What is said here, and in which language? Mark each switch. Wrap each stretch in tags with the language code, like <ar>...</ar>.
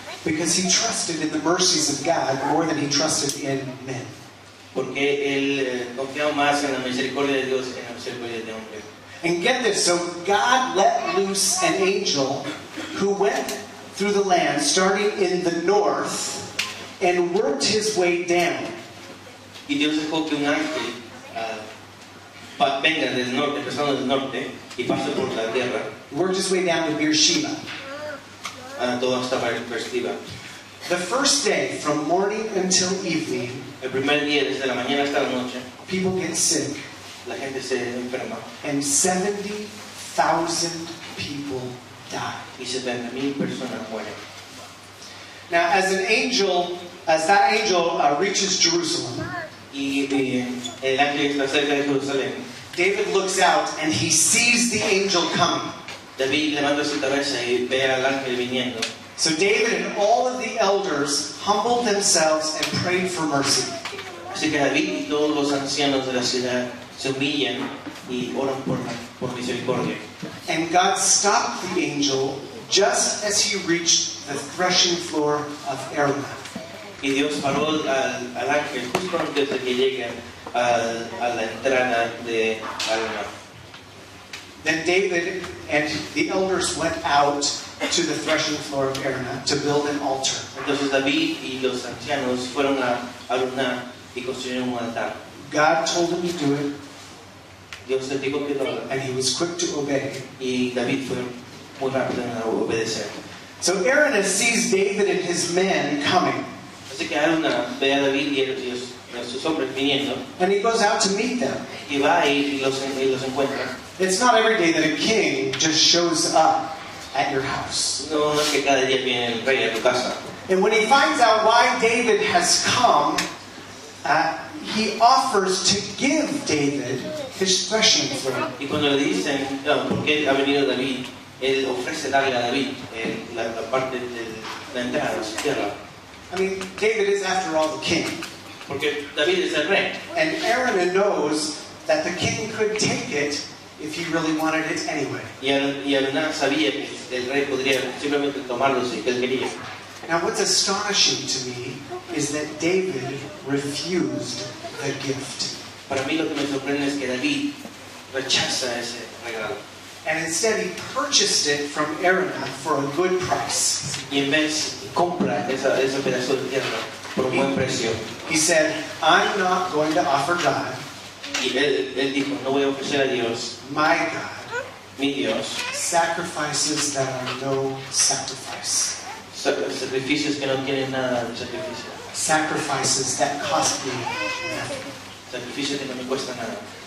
<en>Because he trusted in the mercies of God more than he trusted in men.</en> <es>Porque él confiaba más en la misericordia de Dios que en la misericordia de hombre.</es> <en>And get this, so God let loose an angel who went through the land, starting in the north, and worked his way down.</en> <es>Y Dios dejó que un ángel venga del norte, empezando del norte, y pase por la tierra.</es> <en>Worked his way down to Beersheba. The first day, from morning until evening,</en> <es>el primer día, desde la mañana hasta la noche,</es> <en>people get sick.</en> <es>La gente se enferma.</es> <en>And 70,000 people die.</en> <es>Y 70,000 personas mueren.</es> <en>Now, as that angel reaches Jerusalem,</en> <es>el ángel está cerca de Jerusalén,</es> <en>David looks out and he sees the angel coming.</en> <es>David levanta su cabeza y ve al ángel viniendo.</es> <en>So David and all of the elders humbled themselves and prayed for mercy.</en> <es>Así que David y todos los ancianos de la ciudad se humillan y oran por misericordia.</es> <en>And God stopped the angel just as he reached the threshing floor of Arama.</en> <es>Y Dios paró al ángel justo antes de que llegue a la entrada de Arama.</es> <en>Then David and the elders went out to the threshing floor of Arama to build an altar.</en> <es>Entonces David y los ancianos fueron a Arama y construyeron un altar.</es> <en>God told him to do it.</en> <es>Dios le dijo que lo haga.</es> <en>And he was quick to obey.</en> <es>Y David fue muy rápido en obedecer.</es> <en>So Arama sees David and his men coming.</en> <es>Así que Arama ve a David y a sus hombres viniendo.</es> <en>And he goes out to meet them.</en> <es>Y va y los encuentra.</es> <en>It's not every day that a king just shows up at your house.</en> <es>No, no es que cada día viene el rey a tu casa.</es> <en>And when he finds out why David has come, he offers to give David his threshing floor.</en> <es>Y cuando le dicen, ¿por qué ha venido David? Él ofrece darle a David la parte de la entrada de su tierra.</es> <en>I mean, David is after all the king.</en> <es>Porque David es el rey.</es> <en>And Arama knows that the king could take it if he really wanted it anyway.</en> <es>Y Arama sabía que el rey podría simplemente tomarlo si él quería.</es> <en>Now what's astonishing to me is that David refused the gift.</en> <es>Para mí lo que me sorprende es que David rechaza ese regalo.</es> <en>And instead he purchased it from Arama for a good price.</en> <es>Y en vez compra ese pedazo de tierra por un buen precio.</es> <en>He said, I'm not going to offer God.</en> <es>Y él dijo, no voy a ofrecer a Dios.</es> <en>My God.</en> <es>Mi Dios.</es> <en>Sacrifices that are no sacrifice.</en> <es>Sacrificios que no tienen nada de sacrificio.</es> <en>Sacrifices that cost me nothing.</en> <es>Sacrificios que no me cuestan nada.</es>